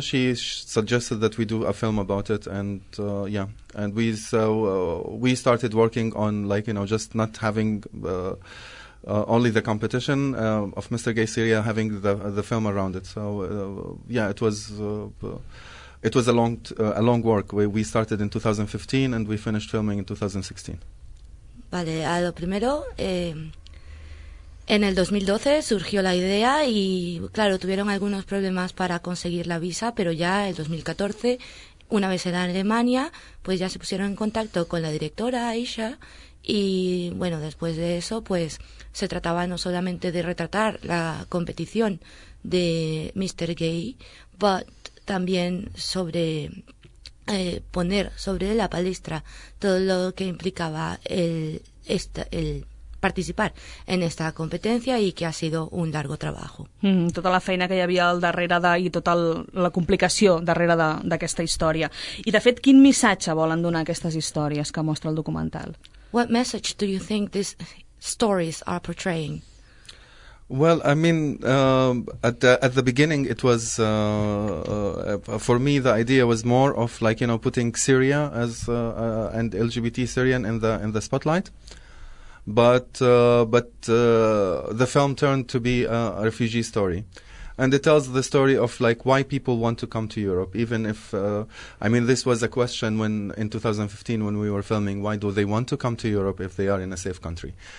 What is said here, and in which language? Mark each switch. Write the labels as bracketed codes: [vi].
[en] She suggested that we do a film about it. And we started working on, like, you know, just not having only the competition of Mr. Gay Syria, having the film around it. So, it was... It was a long work. We started in 2015 and we finished filming in 2016. [es] Vale, a lo primero, en el 2012 surgió la idea y, claro, tuvieron algunos problemas para conseguir la visa, pero ya el 2014, una vez en Alemania, pues ya se pusieron en contacto con la directora, Aisha, y, bueno, después de eso, pues se trataba no solamente de retratar la competición de Mr. Gay, [en] but [es] también sobre poner sobre la palestra todo lo que implicaba el participar en esta competencia y que ha sido un largo trabajo. [ca] Tota la feina que hi havia al darrere i tota la complicació darrere d'aquesta història. I, de fet, quin missatge volen donar aquestes històries que mostra el documental? [en] What message do you think these stories are portraying? Well, I mean, at the beginning, it was for me the idea was more of like, you know, putting Syria as and LGBT Syrian in the spotlight, but the film turned to be a refugee story, and it tells the story of like why people want to come to Europe, even if I mean this was a question when in 2015 when we were filming, why do they want to come to Europe if they are in a safe country.